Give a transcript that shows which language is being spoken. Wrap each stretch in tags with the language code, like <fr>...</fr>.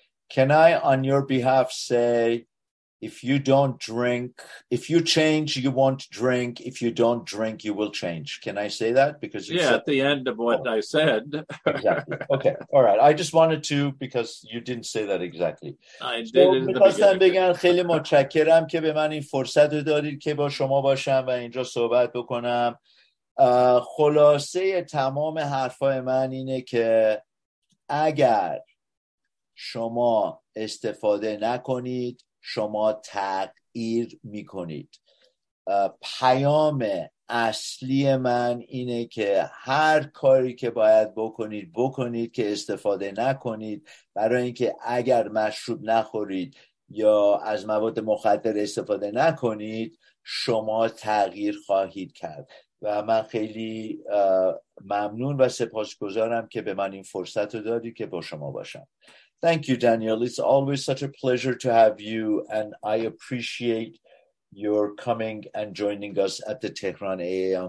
<en>Can I, on your behalf, say, if you don't drink, if you change, you won't drink. If you don't drink, you will change. Can I say that? Because it's at the end of what I said. Exactly. Okay. All right. I just wanted to, because you didn't say that exactly. I did in the beginning.</en> <fa>خیلی متشکرم که به من این فرصت رو دادید که با شما باشم و اینجا صحبت بکنم. خلاصه تمام حرفای من اینه که اگر شما استفاده نکنید، شما تغییر می کنید. پیام اصلی من اینه که هر کاری که باید بکنید بکنید که استفاده نکنید، برای اینکه اگر مشروب نخورید یا از مواد مخدر استفاده نکنید شما تغییر خواهید کرد. و من خیلی ممنون و سپاسگزارم که به من این فرصت رو دادی که با شما باشم.</fa> <en>Thank you, Daniel. It's always such a pleasure to have you, and I appreciate your coming and joining us at the Tehran AA on</en>